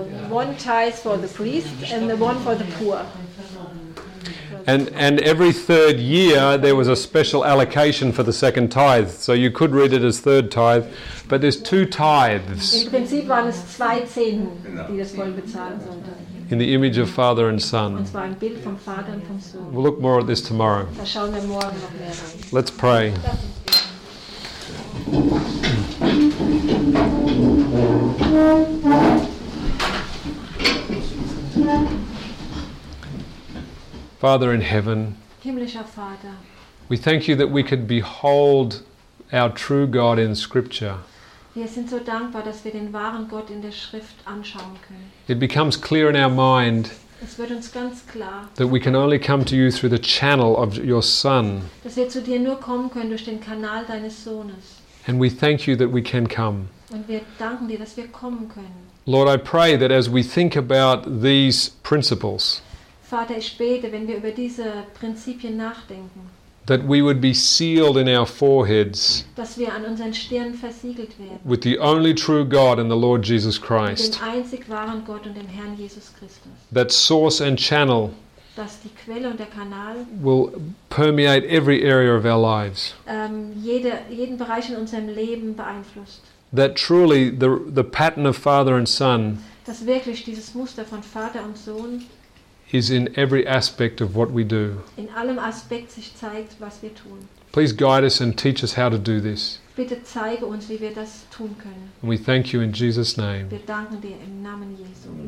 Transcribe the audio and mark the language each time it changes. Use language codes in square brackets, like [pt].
[en] One tithe for the priest and the one for the poor. And every third year there was a special allocation for the second tithe. So you could read it as third tithe, but there's two tithes. [de] Im Prinzip waren es zwei Zehnten, die das Volk bezahlen sollte. [en] In the image of Father and Son. [de] Und zwar ein Bild vom Vater und vom Sohn. [en] We'll look more at this tomorrow. [de] Da schauen wir morgen noch mehr rein. [en] Let's pray. Father in heaven. [de] Himmlischer Vater. [en] We thank you that we could behold our true God in Scripture. [de] Wir sind so dankbar, dass wir den wahren Gott in der Schrift anschauen können. [en] It becomes clear in our mind. [de] Es wird uns ganz klar. [en] That we can only come to you through the channel of your Son. [de] Dass wir zu dir nur kommen können durch den Kanal deines Sohnes. [en] And we thank you that we can come. [de] Und wir danken dir, dass wir kommen können. [en] Lord, I pray that as we think about these principles. [de] Vater, ich bete, wenn wir über diese Prinzipien nachdenken. [en] That we would be sealed in our foreheads, [de] dass wir an unseren Stirn versiegelt werden, [en] with the only true God and the Lord Jesus Christ, [de] dem einzig wahren Gott und dem Herrn Jesus Christus, [en] that source and channel, [de] dass die Quelle und der Kanal, [en] will permeate every area of our lives, [de] jeden Bereich in unserem Leben beeinflusst, [en] that truly the pattern of Father and Son, [de] dass wirklich dieses Muster von Vater und Sohn, [en] is in every aspect of what we do. [de] In allem Aspekt sich zeigt, was wir tun. [en] Please guide us and teach us how to do this. [de] Bitte zeige uns, wie wir das tun können. [en] And we thank you in Jesus' name. [de] Wir danken dir im Namen Jesu.